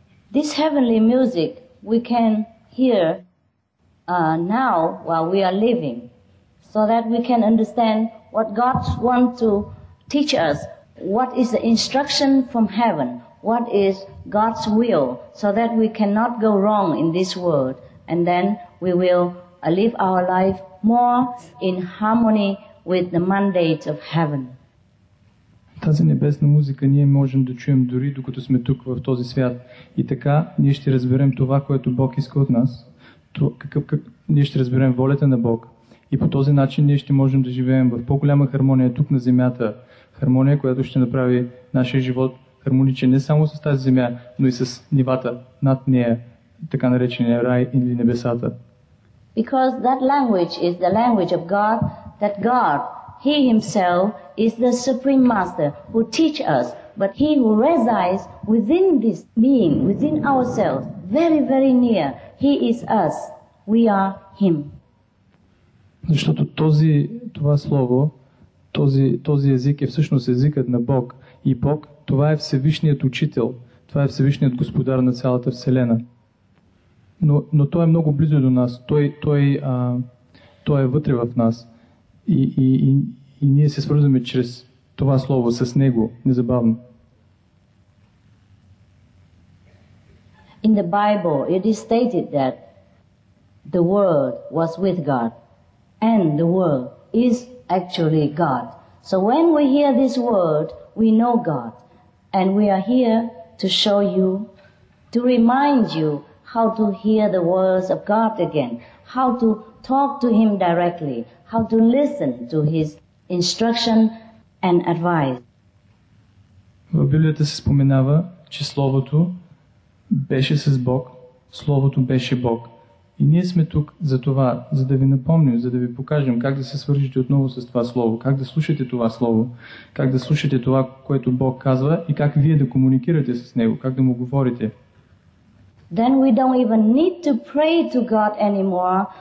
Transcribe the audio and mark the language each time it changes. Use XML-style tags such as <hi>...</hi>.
<en>This heavenly music we can hear now while we are living, so that we can understand what God wants to teach us, what is the instruction from heaven, what is God's will, so that we cannot go wrong in this world, and then we will live our life more in harmony with the mandate of heaven.</en> <bg>Тази небесна музика ние можем да чуем дори докато сме тук в този свят. И така ние ще разберем това, което Бог иска от нас. Ние ще разберем волята на Бог и по този начин ние ще можем да живеем в по-голяма хармония тук на земята. Хармония, която ще направи нашия живот хармоничен не само с тази земя, но и с нивата над нея, така наречения рай или небесата.</bg> <en>Because that language is the language of God, that God, He Himself is the Supreme Master who teach us, but He who resides within this being, within ourselves, very, very near. He is us. We are Him.</en> <bg>Защото това слово, този език е всъщност езикът на Бог. И Бог, това е Всевишният Учител, това е Всевишният Господар на цялата Вселена. Но Той е много близо до нас, Той е вътре в нас. И ние се свързваме чрез това слово с Него, незабавно.</bg> <en>In the Bible, it is stated that the Word was with God, and the Word is actually God. So when we hear this Word, we know God, and we are here to show you, to remind you how to hear the words of God again, how to talk to Him directly, how to listen to His instruction and advice.</en> <bg>В Библията се споменава, че Словото беше с Бог, Словото беше Бог. И ние сме тук за това, за да ви напомним, за да ви покажем как да се свържете отново с това Слово, как да слушате това Слово, как да слушате това, което Бог казва и как вие да комуникирате с Него, как да Му говорите.</bg> <en>Then we don't even need to pray to God anymore.</en>